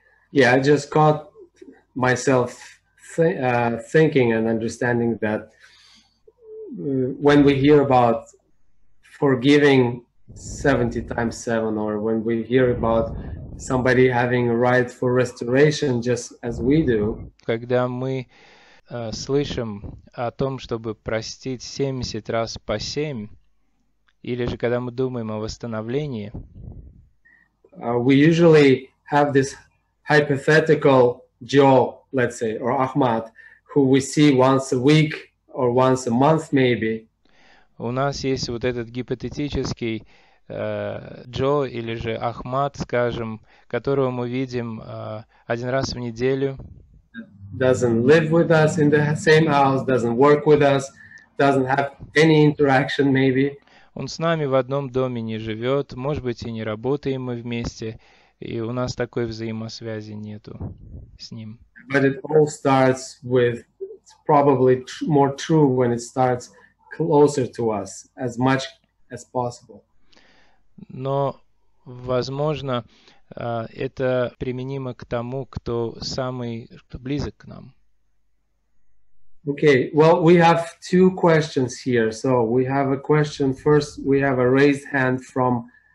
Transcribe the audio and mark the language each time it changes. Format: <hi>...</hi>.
<en>Yeah, I just caught myself thinking and understanding that when we hear about forgiving 70 times 7, or when we hear about somebody having a right for restoration, just as we do.</en> <ru>Когда мы слышим о том, чтобы простить 70 раз по 7, или же когда мы думаем о восстановлении,</ru> <en>we usually have this hypothetical Joe, let's say, or Ahmad, who we see once a week or once a month, maybe.</en> <ru>У нас есть вот этот гипотетический Джо или же Ахмад, скажем, которого мы видим один раз в неделю.</ru> <en>Doesn't live with us in the same house, doesn't work with us, doesn't have any interaction, maybe.</en> <ru>Он с нами в одном доме не живет, может быть, и не работаем мы вместе, и у нас такой взаимосвязи нету с ним.</ru> <en>But it all starts with, it's probably more true when it starts closer to us, as much as possible.</en> <ru>Но, возможно, это применимо к тому, кто самый, кто близок к нам.</ru> <en>Okay, well, we have two questions here. So we have a question first. We have a raised hand from.</en>